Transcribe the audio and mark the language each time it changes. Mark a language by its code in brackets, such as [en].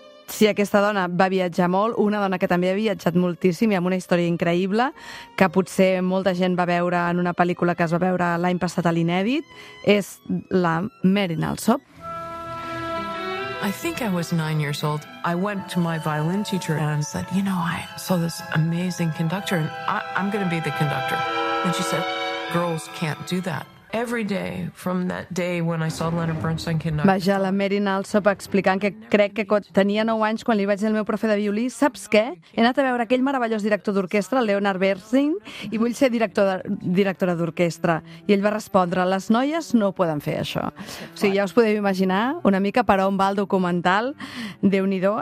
[ca] Sí, aquesta dona va viatjar molt, una dona que també ha viatjat moltíssim i amb una història increïble, que potser molta gent va veure en una pel·lícula que es va veure l'any passat a l'Inèdit, és la Marin Alsop. [en] I think I was 9 years old. I went to my violin teacher and said, you know, I saw this amazing conductor and I'm going to be the conductor. And she said, girls can't do that. Every day from that day when I saw Leonard Bernstein conduct. [ca] Vaja, la Marin Alsop explicant que crec que tenia 9 anys quan li vaig dir al meu profe de violí, saps què? He anat a veure aquell meravellós director d'orquestra, Leonard Bernstein, i vull ser directora d'orquestra. I ell va respondre, les noies no ho poden fer, això. O sigui, ja us podeu imaginar una mica per on va el documental. Déu-n'hi-do.